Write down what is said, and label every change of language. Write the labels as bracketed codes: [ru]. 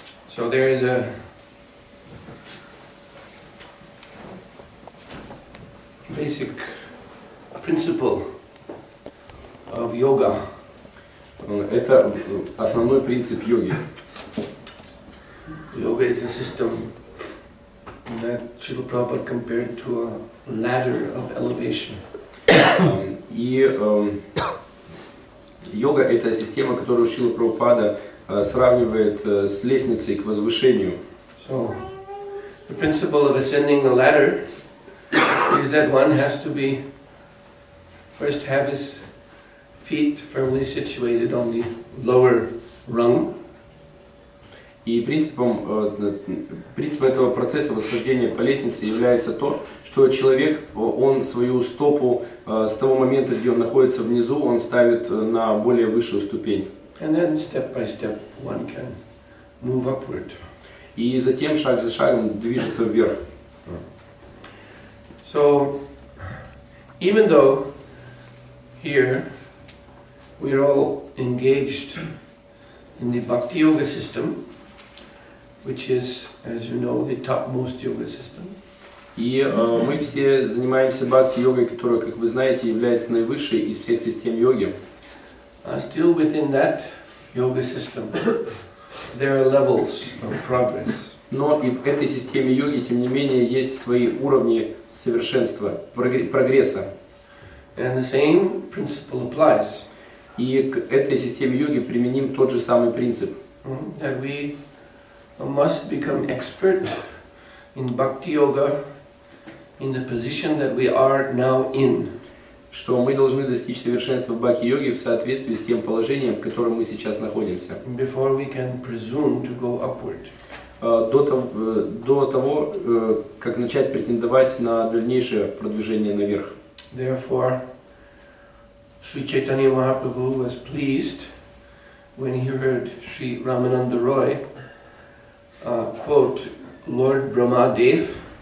[en] So there is a basic principle of yoga. [ru] Это основной принцип йоги. [en] Yoga is a system that Srila Prabhupada compared to a ladder of elevation. [ru] И йога — это система, которую Шрила Прабхупада сравнивает с лестницей к возвышению. [en] So, the principle of ascending a ladder is that one has to be first have his feet firmly situated on the lower rung. [ru] И принципом этого процесса восхождения по лестнице является то, что человек, он свою стопу с того момента, где он находится внизу, он ставит на более высшую ступень. [en] And then step by step one can move upward. [ru] И затем шаг за шагом движется вверх. [en] So even though here we are all engaged in the Bhakti Yoga system, which is, as you know, the topmost yoga system. [ru] И мы все занимаемся Бхакти Йогой, которая, как вы знаете, является наивысшей из всех систем йоги. [en] Still within that yoga system, there are levels of progress. [ru] Но и в этой системе йоги, тем не менее, есть свои уровни совершенства, прогресса. [en] And the same principle applies. [ru] И к этой системе йоги применим тот же самый принцип. [en] That we must become expert in bhakti yoga in the position that we are now in. [ru] Что мы должны достичь совершенства в бхакти-йоге в соответствии с тем положением, в котором мы сейчас находимся. [en] Before we can presume to go upward. [ru] До того, как начать претендовать на дальнейшее продвижение наверх. [en] Therefore, Sri Chaitanya Mahaprabhu was pleased when he heard Sri Ramananda Roy quote Lord Brahma Dev.